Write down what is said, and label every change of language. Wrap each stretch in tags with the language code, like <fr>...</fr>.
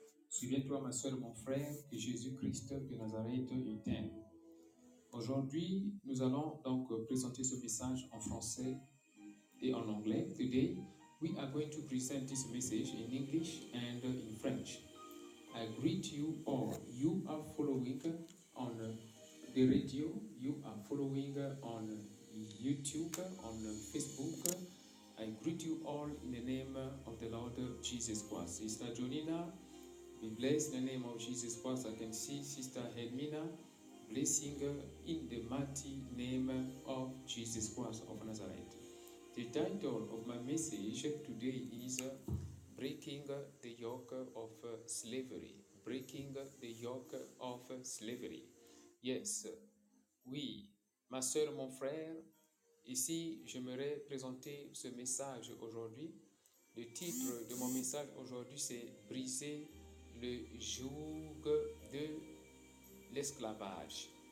<fr>Souviens-toi, ma soeur, mon frère, que Jésus-Christ de Nazareth est t'aime. Aujourd'hui, nous allons donc présenter ce message en français et en anglais.</fr> <en>Today, we are going to present this message in English and in French. I greet you all. You are following on the radio. You are following on YouTube, on Facebook. I greet you all in the name of the Lord Jesus Christ. Sister Jonina, be blessed in the name of Jesus Christ. I can see Sister Hermina, blessing in the mighty name of Jesus Christ of Nazareth. The title of my message today is Breaking the Yoke of Slavery. Breaking the Yoke of Slavery.</en> <fr>Yes, oui, ma soeur, mon frère, ici j'aimerais présenter ce message aujourd'hui. Le titre de mon message aujourd'hui c'est Briser le joug de l'esclavage.</fr>